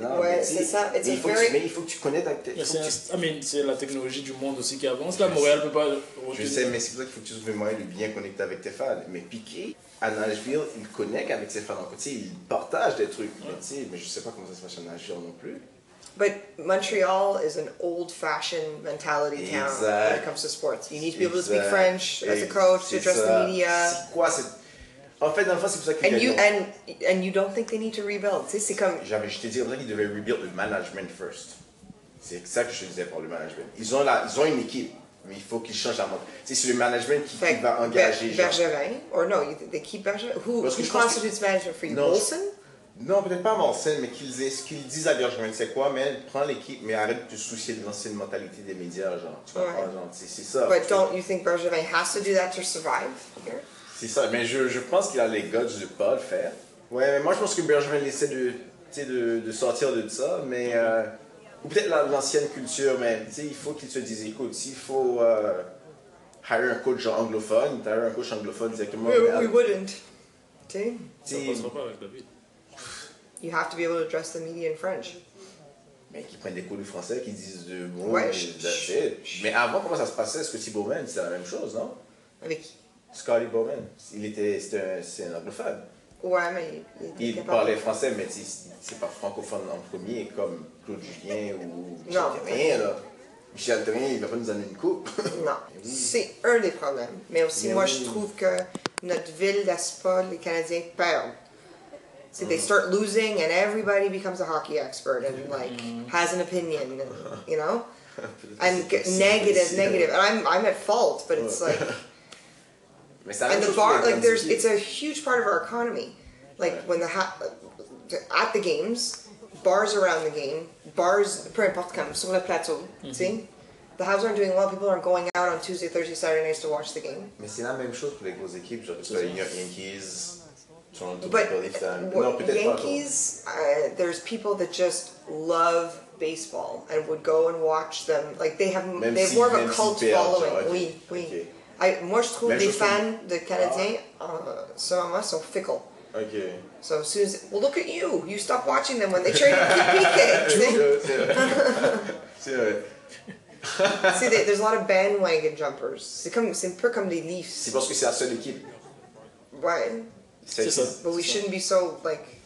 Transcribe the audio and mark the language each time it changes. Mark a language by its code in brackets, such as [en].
[fr] Mais il faut que tu connaisses ta tête. C'est la technologie du monde aussi qui avance. Là, Montréal ne peut pas. Je sais, mais c'est pour ça qu'il faut que tu trouves un moyen de bien connecter avec tes fans. Mais Piqué, à Nashville, il connecte avec ses fans. Il partage des trucs. Ouais. Mais je ne sais pas comment ça se passe à Nashville non plus. [en] But Montreal is an old-fashioned mentality town [fr] exact. [en] When it comes to sports. You need to be able to speak French as a coach, to address the media. [fr] C'est quoi c'est... En fait, dans le fond, c'est pour ça qu'ils gagnent. [en] And you don't think they need to rebuild. [fr] C'est comme... Je t'ai dit, c'est pour ça qu'ils devaient rebuild le management first. C'est ça que je te disais par le management. Ils ont une équipe, mais il faut qu'ils changent la mode. C'est le management qui va engager... [en] Bergevin? Or no, they keep Bergevin? Who constitutes management for you? Non. Wilson? [fr] Non, peut-être pas Wilson, mais qu'ils disent à Bergevin, c'est quoi, mais prends l'équipe, mais arrête de te soucier de l'ancienne mentalité des médias, genre. Tu comprends, genre, c'est ça. [en] But don't you think Bergevin has to do that to survive here? [fr] C'est ça, mais je pense qu'il a les guts de pas le faire. Ouais, mais moi je pense que Bergevin essaie de sortir de ça, mais... ou peut-être l'ancienne culture, mais tu sais, il faut qu'il se dise, écoute, s'il faut... hire un coach anglophone, t'as hire un coach anglophone directement... [en] We wouldn't. [fr] Tu sais? Ça passera pas avec David. [en] You have to be able to address the media in French. [fr] Mais qu'ils prennent des cours de français, qu'ils disent de mots... Ouais, Mais avant, comment ça se passait? Est-ce que Thibault Mann, c'est la même chose, non? Avec qui? Scotty Bowman, c'est un anglophone. Ouais, mais il parlait français, mais c'est pas francophone en premier, comme Claude Julien ou Michel Therrien, il va pas nous donner une coupe. Non, c'est un des problèmes. Mais aussi, moi, je trouve que notre ville, l'Aspol, les Canadiens perdent. [en] They start losing and everybody becomes a hockey expert and like has an opinion, and, you know? And negative. And I'm at fault, but it's like... And the bar, like, it's a huge part of our economy. Like, when at the games, bars around the game, bars, [fr] peu importe, comme sur le plateau, mm-hmm. tu sais. [en] The Habs aren't doing well, people aren't going out on Tuesday, Thursday, Saturday nights to watch the game. [fr] Mais c'est la même chose pour les grosses équipes, genre que les Yankees, Toronto, [en] Philly, non, Yankees, there's people that just love baseball and would go and watch them. Like they have, [fr] même [en] they have [fr] si, [en] more of a cult [fr] si [en] following. [fr] Genre, oui, okay. oui. Okay. Moi, je trouve les fans de Canadiens, selon moi, sont fickle. Okay. [en] So as soon as, well, look at you. You stop watching them when they try to keep peeking. See, there's a lot of bandwagon jumpers. [fr] C'est un peu comme les Leafs. C'est parce que c'est la seule équipe. [en] Right. [fr] C'est ça. [en] But we shouldn't be so, like...